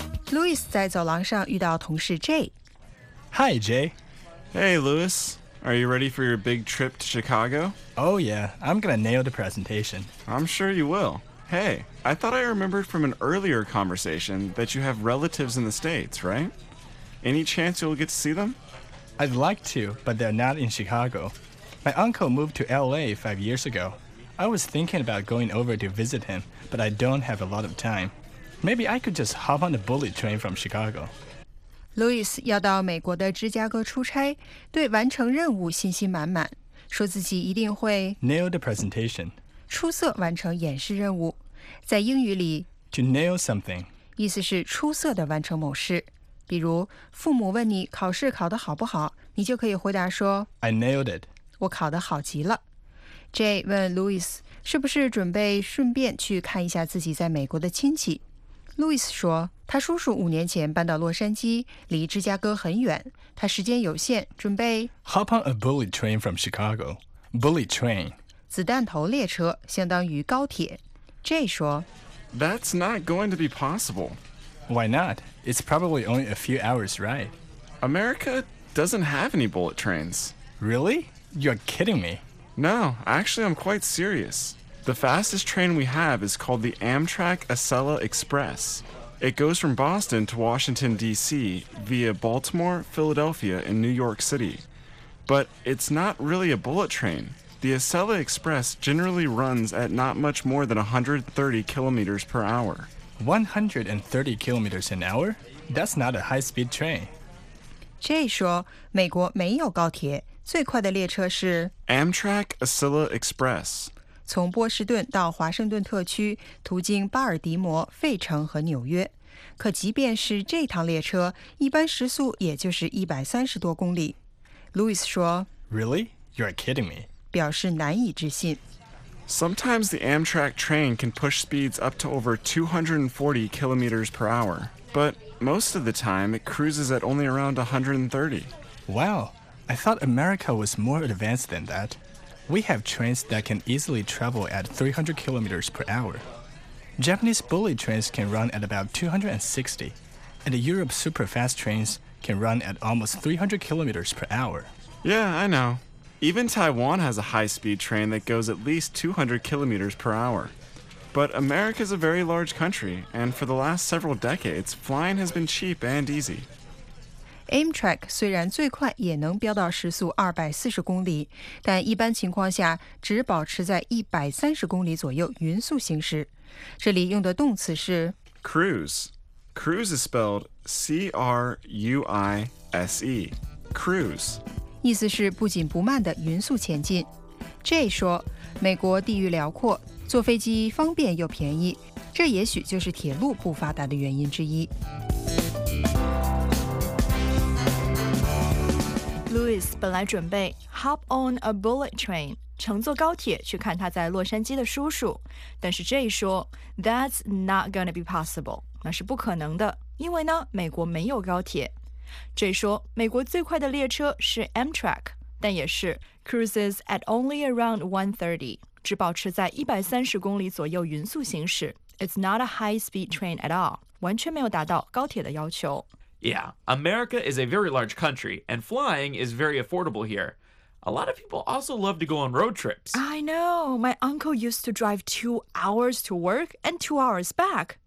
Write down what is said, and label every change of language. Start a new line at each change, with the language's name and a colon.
Chinese: Louis 在走廊上遇到同事 Jay。
English: Hi, Jay. Hey, Louis. Are you ready for your big trip to Chicago? Oh, yeah. I'm going to nail the presentation. I'm sure you will. Hey, I thought I remembered from an earlier conversation that you have relatives in the States, right? Any chance you'll get to see them? I'd like to, but they're not in Chicago. My uncle moved to LA 5 years ago. I was thinking about going over to visit him, but I don't have a lot of time. Maybe I could just hop on the bullet train from Chicago.
Chinese: Louis 要到美国的芝加哥出差，对完成任务信心满满，说自己一定会
English: nail the presentation，
Chinese: 出色完成演示任务。在英语里
English: ，to nail something
Chinese: 意思是出色的完成某事。比如，父母问你考试考得好不好，你就可以回答说
English: ，I nailed it，
Chinese: 我考得好极了。 Jay 问 Louis 是不是准备顺便去看一下自己在美国的亲戚。 Louis 说，他叔叔五年前搬到洛杉矶，离芝加哥很远，他时间有限，准备
English: Hop on a bullet train from Chicago. Bullet train.
Chinese: 子弹头列车相当于高铁。 Jay 说
English: That's not going to be possible. Why not? It's probably only a few hours ride. America doesn't have any bullet trains. Really? You're kidding me. No, actually I'm quite serious. The fastest train we have is called the Amtrak Acela Express. It goes from Boston to Washington, D.C. via Baltimore, Philadelphia, and New York City. But it's not really a bullet train. The Acela Express generally runs at not much more than 130 kilometers per hour. 130 kilometers an hour? That's not a high-speed train.
Chinese: Jay 说美国没有高铁，最快的列车是
English: Amtrak Acela Express。
Chinese: 从波士顿到华盛顿特区，途经巴尔的摩、费城和纽约。可即便是这趟列车，一般时速也就是130多公里。 Louis 说
English: Really? You're kidding me.
Chinese: 表示难以置信。
English: Sometimes the Amtrak train can push speeds up to over 240 kilometers per hour, but most of the time it cruises at only around 130. Wow, I thought America was more advanced than that. We have trains that can easily travel at 300 kilometers per hour. Japanese bullet trains can run at about 260, and Europe's super-fast trains can run at almost 300 kilometers per hour. Yeah, I know. Even Taiwan has a high-speed train that goes at least 200 kilometers per hour. But America is a very large country, and for the last several decades, flying has been cheap and easy.
Chinese: Amtrak 虽然最快也能飙到时速240公里，但一般情况下只保持在130公里左右匀速行驶。这里用的动词是
English: cruise. Cruise is spelled C-R-U-I-S-E. Cruise.
Chinese: 意思是不紧不慢的匀速前进。Jay 说，美国地域辽阔，坐飞机方便又便宜，这也许就是铁路不发达的原因之一。 Louis 本来准备
English: hop on a bullet train，
Chinese: 乘坐高铁去看他在洛杉矶的叔叔，但是 Jay 说 ，
English: That's not gonna be possible，
Chinese: 那是不可能的，因为呢，美国没有高铁。 Jay 说美国最快的列车是 Amtrak， 但也是
English: cruises at only around 130，
Chinese: 只保持在130公里左右匀速行驶。
English: It's not a high-speed train at all，
Chinese: 完全没有达到高铁的要求。
English: Yeah, America is a very large country, and flying is very affordable here. A lot of people also love to go on road trips. I know, my uncle used to drive 2 hours to work and 2 hours back.